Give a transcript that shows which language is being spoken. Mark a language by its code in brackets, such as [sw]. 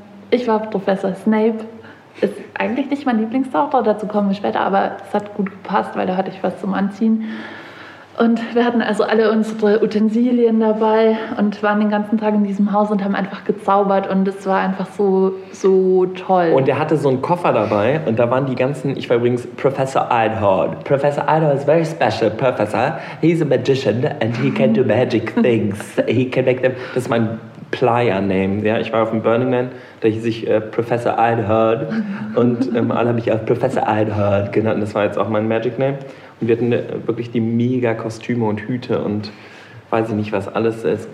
[de] Ich war Professor Snape. Ist eigentlich nicht mein Lieblingszauberer, dazu kommen wir später, aber es hat gut gepasst, weil da hatte ich was zum Anziehen. Und wir hatten also alle unsere Utensilien dabei und waren den ganzen Tag in diesem Haus und haben einfach gezaubert und es war einfach so, so toll. Und er hatte so einen Koffer dabei und da waren die ganzen, ich war übrigens Professor Einhorn. [en] Professor Einhorn is a very special professor. He's a magician and he can do magic things. He can make them, [de] das ist mein Playa-Name. Ja, ich war auf dem Burning Man, da hieß ich Professor Einhorn und alle haben mich auch Professor Einhorn genannt. Das war jetzt auch mein Magic Name. Und wir hatten wirklich die mega Kostüme und Hüte und weiß ich nicht, was alles ist.